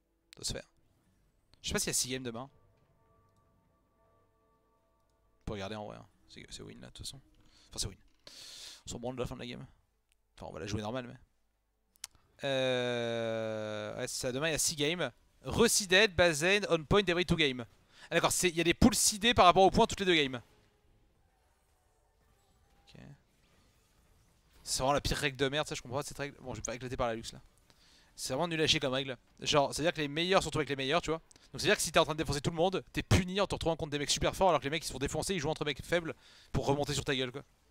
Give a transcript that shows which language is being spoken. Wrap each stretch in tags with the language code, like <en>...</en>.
<fr>Ça doit se faire. Je sais pas s'il y a 6 games demain. On peut regarder en vrai. C'est win là de toute façon. Enfin c'est win. On s'en branle de la fin de la game. Enfin, on va la jouer normal, mais. Ouais, c'est ça. Demain, il y a 6 games.</fr> <en>Re-seeded, Bazen, on point, every 2 games.</en> <fr>Ah, d'accord, il y a des pools seedées par rapport aux points toutes les deux games. Ok. C'est vraiment la pire règle de merde, ça. Je comprends pas cette règle. Bon, je vais pas éclater par la luxe là. C'est vraiment nul à chier comme règle. Genre, c'est à dire que les meilleurs sont avec les meilleurs, tu vois. Donc, c'est à dire que si t'es en train de défoncer tout le monde, t'es puni en te retrouvant contre des mecs super forts alors que les mecs qui se font défoncer, ils jouent entre mecs faibles pour remonter sur ta gueule, quoi.</fr>